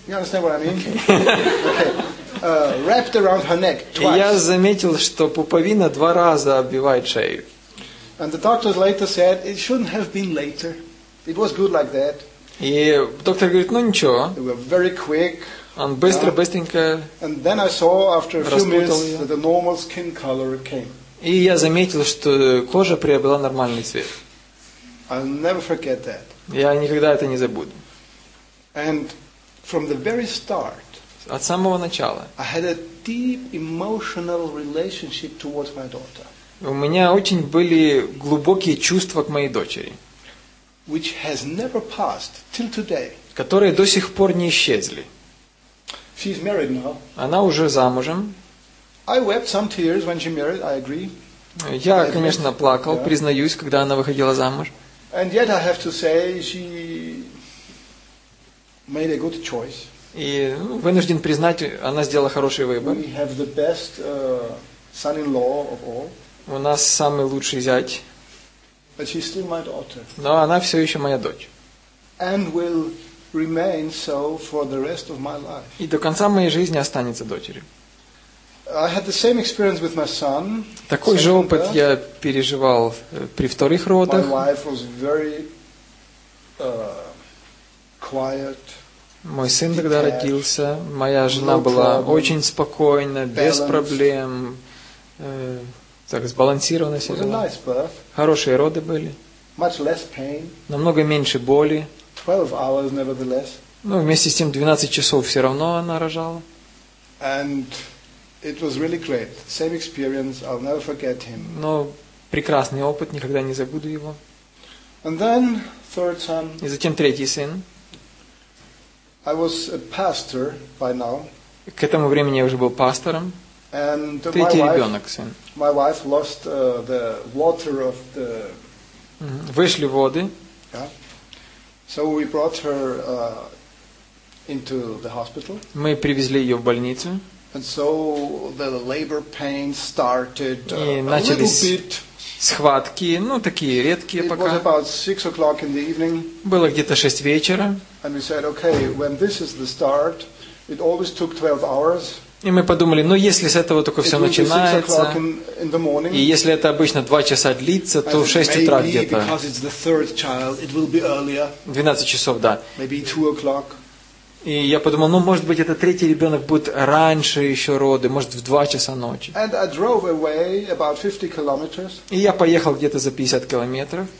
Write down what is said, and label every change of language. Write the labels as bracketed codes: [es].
[en] You understand what I mean? Okay. Wrapped around her neck twice. [ru] Я заметил, что пуповина два раза обвивает шею. [en] And the doctors later said it shouldn't have been later. It was good like that. [ru] И доктор говорит, ну ничего. [en] They were very quick. [ru] Он быстро-быстренько. [en] And then I saw after a few minutes that the normal skin color came. [ru] И я заметил, что кожа приобрела нормальный цвет. [en] I'll never forget that. [ru] Я никогда это не забуду. [en] And from the very start, [ru] от самого начала, [en] I had a deep emotional relationship towards my daughter. [ru] У меня очень были глубокие чувства к моей дочери, [en] which has never passed till today. [ru] Которые до сих пор не исчезли. [en] She's married now. [ru] Она уже замужем. [en] I wept some tears when she married, I agree. [ru] Я, конечно, плакал, yeah. Признаюсь, когда она выходила замуж. [en] And yet I have to say she made a good choice. [ru] И вынужден признать, она сделала хороший выбор. [en] We have the best son-in-law of all. [ru] У нас самый лучший зять. [en] But she's still my daughter. [ru] Но она все еще моя дочь. [en] And will remain so for the rest of my life. [ru] И до конца моей жизни останется дочерью. [en] I had the same experience with my son. [ru] Такой же опыт я переживал при вторых родах. [en] My wife was very quiet. [ru] Мой сын тогда родился, моя жена была очень спокойна, без проблем, так сбалансированно все было. Хорошие роды были. [en] Much less pain. [ru] Намного меньше боли. [en] 12 hours, nevertheless. [ru] Ну, вместе с тем, 12 часов все равно она рожала. [en] And it was really great. Same experience, I'll never forget him. [ru] Но прекрасный опыт, никогда не забуду его. [en] And then, third son. [ru] И затем третий сын. [en] I was a pastor by now. [ru] К этому времени я уже был пастором. [en] And [ru] третий ребенок, сын. [en] My wife lost the water of the... [ru] Вышли воды. [en] Yeah. So we brought her into the hospital. [ru] Мы привезли ее в больницу. [en] And so the labor pain started [ru] и начались схватки, ну, такие редкие [en] it [ru] пока. [en] Was about 6 o'clock in the evening. [ru] Было где-то 6 вечера. [en] And we said, okay, when this is the start, it always took 12 hours. [ru] И мы подумали, ну, если с этого только все начинается, [en] in the morning, [ru] и если это обычно 2 часа длится, то в 6 утра где-то. [en] Because it's the third child, it will be earlier. [ru] 12 часов, да. [en] Maybe 2 o'clock. [ru] И я подумал, ну, может быть, это третий ребенок будет раньше еще роды, может, в 2 часа ночи. [en] And I drove away about 50 kilometers. [ru] И я поехал где-то за 50 километров.